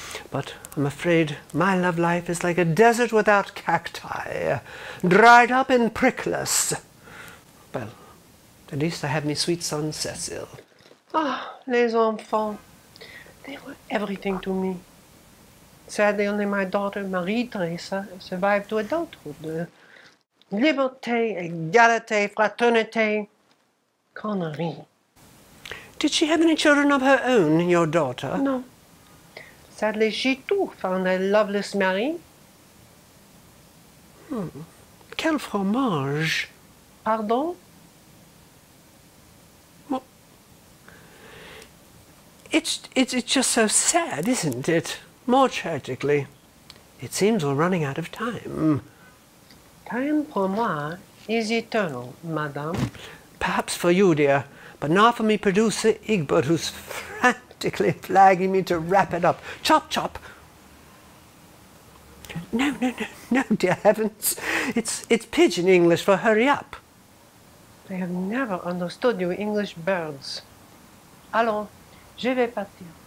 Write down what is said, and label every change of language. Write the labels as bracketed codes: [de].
[en] But I'm afraid my love life is like a desert without cacti, dried up and prickless. Well, at least I have my sweet son, Cecil. [fr] Ah, oh, les enfants. [en] They were everything to me. Sadly, only my daughter, Marie-Thérèse, survived to adulthood. [fr] Liberté, égalité, fraternité, connerie. [en] Did she have any children of her own, your daughter? No. Sadly, she too found a loveless mari. [fr] Quel fromage. [en] Pardon? Well, it's just so sad, isn't it? More tragically, it seems we're running out of time. Time [fr] pour moi [en] is eternal, madame. Perhaps for you, dear, but not for me producer Egbert, who's frantically flagging me to wrap it up. Chop, chop. No, no, no, no, dear heavens. It's pigeon English for hurry up. I have never understood you English birds. [fr] Allons, je vais partir.